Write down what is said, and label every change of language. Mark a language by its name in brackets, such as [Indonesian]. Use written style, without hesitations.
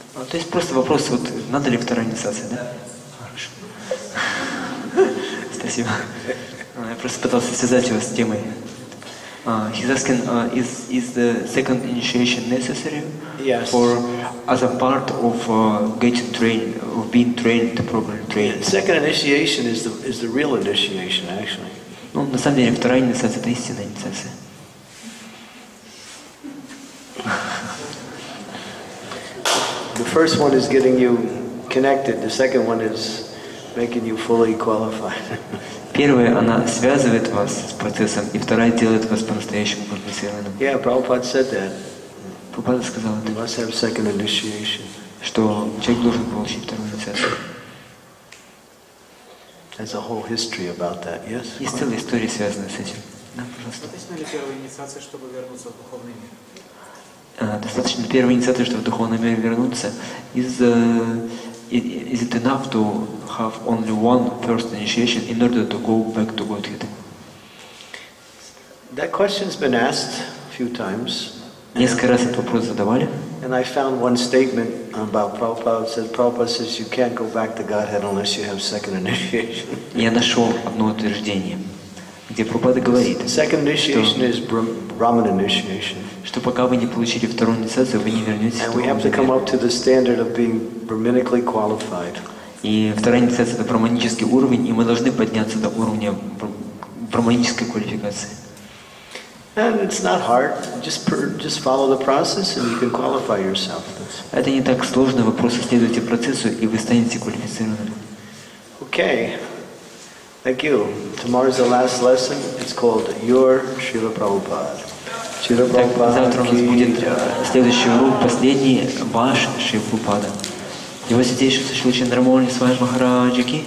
[Russian] То есть просто вопрос, вот надо ли вторая инициация, да? Хорошо. Спасибо. Я просто пытался связать его с темой. [English] He's asking, is the second initiation necessary for as a part of getting trained, of being trained, the program trained? Second initiation is the real initiation, actually. [Russian] Ну, на самом деле, вторая инициация – это истинная инициация. [English] The first one is getting you connected. The second one is making you fully qualified. [Russian] Первая, она связывает вас с процессом, и вторая делает вас по-настоящему квалифицированным. [English] Yeah, Prabhupada said that. [Russian] Прабхупада сказал это. [English] You must have second initiation. [Russian] Что человек должен получить вторую инициацию. [English] There's a whole history about that, yes? [Russian] Есть целая история, связанная с этим. Достаточно ли первой инициации, чтобы вернуться в духовный мир? [English] Is it enough to have only one first initiation in order to go back to Godhead? That question's been asked a few times. [Russian] Несколько раз этот вопрос задавали. [English] And I found one statement about Prabhupada. It said, Prabhupada says you can't go back to Godhead unless you have second initiation. [Russian] Я нашел одно утверждение, где Прабхупада говорит, [English] second initiation is Brahman initiation. [Russian] Что пока вы не получили вторую инициацию, вы не вернетесь. [English] And we have to come up to the standard of being brahminically qualified. [Russian] И вторая инициация это брахманический уровень, и мы должны подняться до уровня брахманической квалификации. [English] And it's not hard. Just follow the process, and you can qualify yourself. [Russian] Это не так сложно. Вы просто следуйте процессу, и вы станете квалифицированным. [English] Okay. Thank you. Tomorrow's the last lesson. It's called Your Srila Prabhupada. Srila Prabhupada. [Russian] Завтра у нас будет следующий урок, последний ваш Шри Прабхупада. И вот здесь еще Шри Чандрамоли Свами Махараджи.